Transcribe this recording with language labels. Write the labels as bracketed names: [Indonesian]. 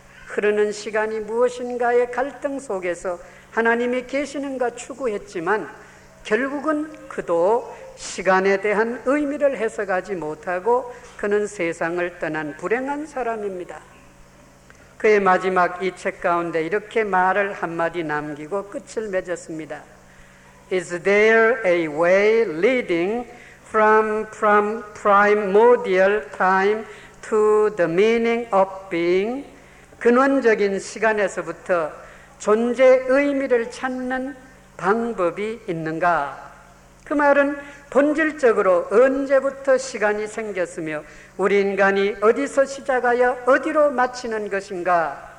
[Korean] 흐르는 시간이 무엇인가의 갈등 속에서 하나님이 계시는가 추구했지만 결국은 그도 시간에 대한 의미를 해석하지 못하고 그는 세상을 떠난 불행한 사람입니다. 그의 마지막 이 책 가운데 이렇게 말을 한마디 남기고 끝을 맺었습니다. [English] Is there a way leading from primordial time to the meaning of being? [Korean] 근원적인 시간에서부터 존재의 의미를 찾는 방법이 있는가? 그 말은 본질적으로 언제부터 시간이 생겼으며 우리 인간이 어디서 시작하여 어디로 마치는 것인가?